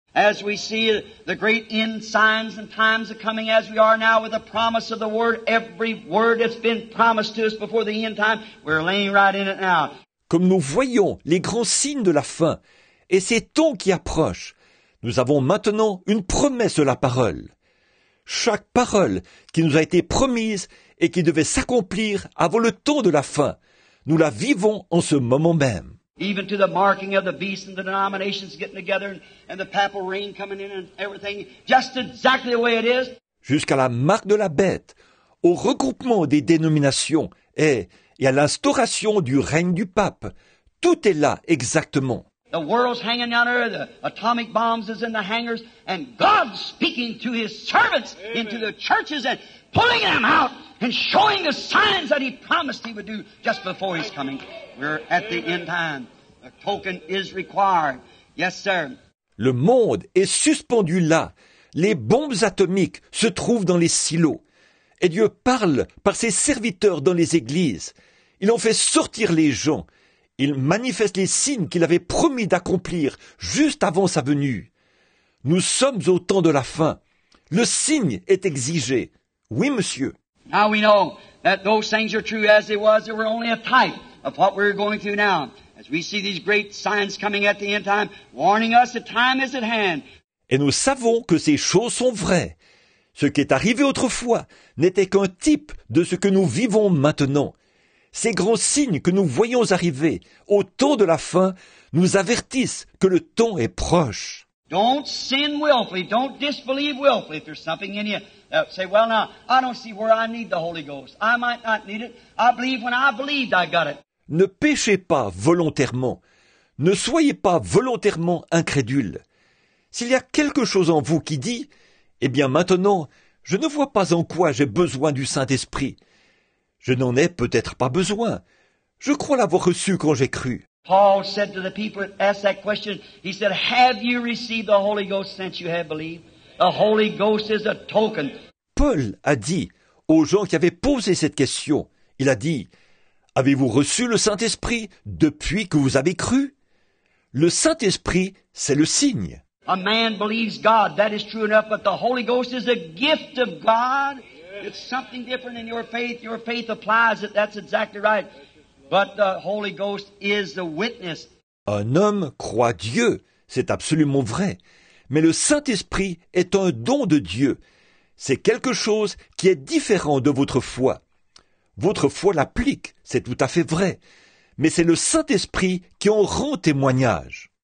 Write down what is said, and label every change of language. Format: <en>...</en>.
<en>As we see the great end signs and times are coming as we are now with the promise of the word, every word that's been promised to us before the end time, we're laying right in it now.</en> <fr>Comme nous voyons les grands signes de la fin et ces temps qui approchent, nous avons maintenant une promesse de la parole. Chaque parole qui nous a été promise et qui devait s'accomplir avant le temps de la fin, nous la vivons en ce moment même.</fr> <en>Even to the marking of the beast and the denominations getting together and the papal ring coming in and everything, just exactly the way it is.</en> <fr>Jusqu'à la marque de la bête, au regroupement des dénominations et à l'instauration du règne du pape, tout est là exactement.</fr> <en>The world's hanging on earth, the atomic bombs is in the hangars, and God's speaking to his servants. Amen. Into the churches and pulling them out and showing the signs that he promised he would do just before his coming. We're at the end time. A token is required. Yes, sir.</en> <fr>Le monde est suspendu là. Les bombes atomiques se trouvent dans les silos. Et Dieu parle par ses serviteurs dans les églises. Il en fait sortir les gens. Il manifeste les signes qu'il avait promis d'accomplir juste avant sa venue. Nous sommes au temps de la fin. Le signe est exigé. Oui, monsieur.</fr> <en>Now we know that those things are true as they was. They were only a type of what we're going through now. As we see these great signs coming at the end time, warning us that time is at hand.</en> <fr>Et nous savons que ces choses sont vraies. Ce qui est arrivé autrefois n'était qu'un type de ce que nous vivons maintenant. Ces grands signes que nous voyons arriver au temps de la fin nous avertissent que le temps est proche.</fr> <en>Don't sin willfully, don't disbelieve willfully. If there's something in you that say, well now, I don't see where I need the Holy Ghost. I might not need it. I believe when I believed I got it.</en> <fr>Ne péchez pas volontairement. Ne soyez pas volontairement incrédule. S'il y a quelque chose en vous qui dit, eh bien maintenant, je ne vois pas en quoi j'ai besoin du Saint-Esprit. Je n'en ai peut-être pas besoin. Je crois l'avoir reçu quand j'ai cru.</fr> <en>Paul said to the people that asked that question, he said, have you received the Holy Ghost since you have believed? The Holy Ghost is a token.</en> <fr>Paul a dit aux gens qui avaient posé cette question, il a dit, avez-vous reçu le Saint-Esprit depuis que vous avez cru? Le Saint-Esprit, c'est le signe.</fr> <en>A man believes God, that is true enough, but the Holy Ghost is a gift of God. It's something different in your faith applies it, that's exactly right. But the Holy Ghost is the witness.</en> <fr>Un homme croit Dieu, c'est absolument vrai. Mais le Saint-Esprit est un don de Dieu. C'est quelque chose qui est différent de votre foi. Votre foi l'applique, c'est tout à fait vrai. Mais c'est le Saint-Esprit qui en rend témoignage.</fr>